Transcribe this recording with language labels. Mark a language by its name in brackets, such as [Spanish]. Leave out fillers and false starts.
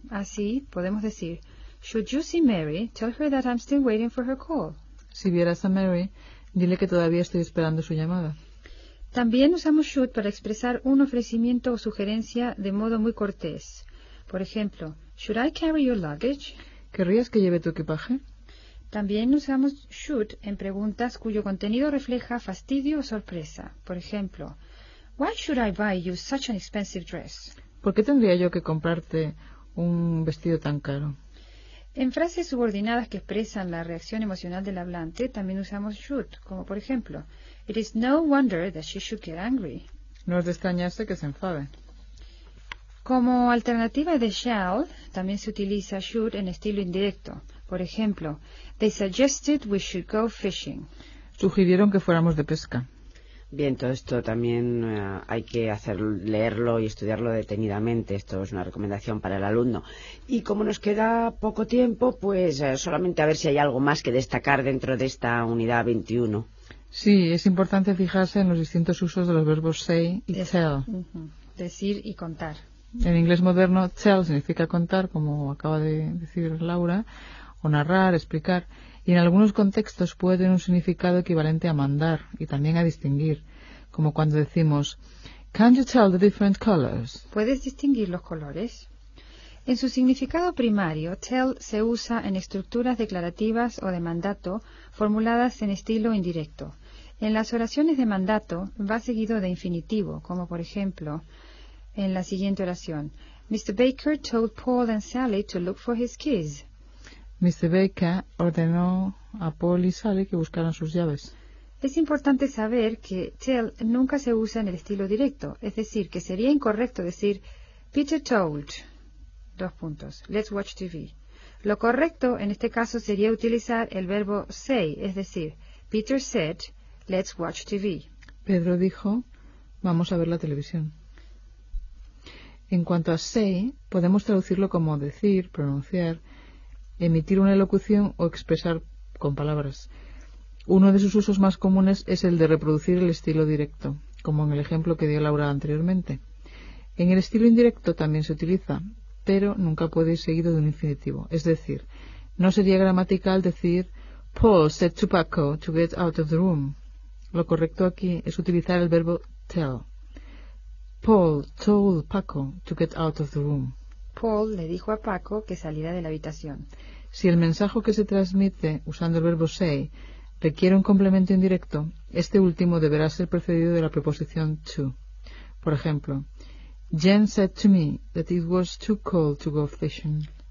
[Spanish] Así podemos decir, [English] Should you see Mary, tell her that I'm still waiting for her call. [Spanish] Si vieras a Mary, dile que todavía estoy esperando su llamada. También usamos should para expresar un ofrecimiento o sugerencia de modo muy cortés. Por ejemplo, [English] Should I carry your luggage? [Spanish] ¿Querrías que lleve tu equipaje? También usamos should en preguntas cuyo contenido refleja fastidio o sorpresa. Por ejemplo, [English] Why should I buy you such an expensive dress? [Spanish] ¿Por qué tendría yo que comprarte un vestido tan caro? En frases subordinadas que expresan la reacción emocional del hablante, también usamos should, como por ejemplo, [English] It is no wonder that she should get angry. [Spanish] No es de extrañarse que se enfade. Como alternativa de shall, también se utiliza should en estilo indirecto. Por ejemplo, [English] They suggested we should go fishing. [Spanish] Sugirieron que fuéramos de pesca. Bien, todo esto también hay que leerlo y estudiarlo detenidamente. Esto es una recomendación para el alumno. Y como nos queda poco tiempo, pues solamente a ver si hay algo más que destacar dentro de esta unidad 21. Sí, es importante fijarse en los distintos usos de los verbos say y tell. Decir y contar. En inglés moderno, tell significa contar, como acaba de decir Laura, o narrar, explicar. Y en algunos contextos puede tener un significado equivalente a mandar y también a distinguir, como cuando decimos, [English] Can you tell the different colors? [Spanish] ¿Puedes distinguir los colores? En su significado primario, tell se usa en estructuras declarativas o de mandato formuladas en estilo indirecto. En las oraciones de mandato, va seguido de infinitivo, como por ejemplo, en la siguiente oración, Mr. [English] Baker told Paul and Sally to look for his keys. Mr. [Spanish] Baker ordenó a Paul y Sally que buscaran sus llaves. Es importante saber que tell nunca se usa en el estilo directo, es decir, que sería incorrecto decir, [English] Peter told, [Spanish] dos puntos, [English] let's watch TV. [Spanish] Lo correcto en este caso sería utilizar el verbo say, es decir, [English] Peter said, let's watch TV. [Spanish] Pedro dijo, vamos a ver la televisión. En cuanto a say, podemos traducirlo como decir, pronunciar, emitir una elocución o expresar con palabras. Uno de sus usos más comunes es el de reproducir el estilo directo, como en el ejemplo que dio Laura anteriormente. En el estilo indirecto también se utiliza, pero nunca puede ir seguido de un infinitivo. Es decir, no sería gramatical decir [English] Paul said to Paco to get out of the room. [Spanish] Lo correcto aquí es utilizar el verbo tell. [English] Paul told Paco to get out of the room. [Spanish] Paul le dijo a Paco que saliera de la habitación. Si el mensaje que se transmite usando el verbo say requiere un complemento indirecto, este último deberá ser precedido de la preposición to. Por ejemplo, [English] Jane said to me that it was too cold to go fishing.